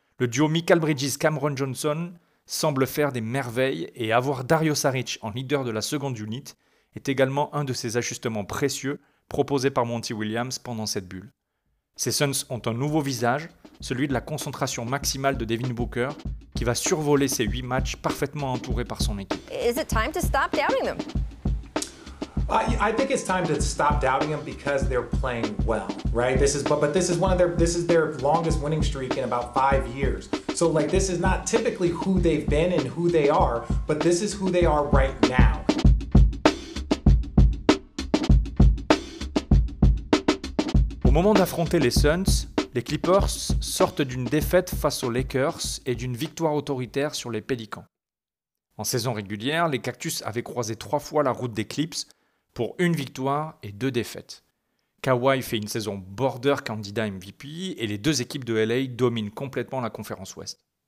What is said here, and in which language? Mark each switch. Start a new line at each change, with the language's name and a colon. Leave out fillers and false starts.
French: Le duo Mikal Bridges-Cameron Johnson semble faire des merveilles et avoir Dario Saric en leader de la seconde unit est également un de ces ajustements précieux proposés par Monty Williams pendant cette bulle. Ces Suns ont un nouveau visage, celui de la concentration maximale de Devin Booker qui va survoler ses 8 matchs parfaitement entourés par son équipe.
English: Is it time to stop doubting them? I think it's time to stop doubting them because they're playing well, right? This is their longest winning streak in about 5 years. So like this is not typically who they've been and who they are, but this is who they are right now.
French: Au moment d'affronter les Suns, les Clippers sortent d'une défaite face aux Lakers et d'une victoire autoritaire sur les Pelicans. En saison régulière, les Cactus avaient croisé 3 fois la route des Clips. Pour une victoire et 2 défaites. Kawhi fait une saison border candidat MVP et les deux équipes de LA dominent complètement la conférence Ouest.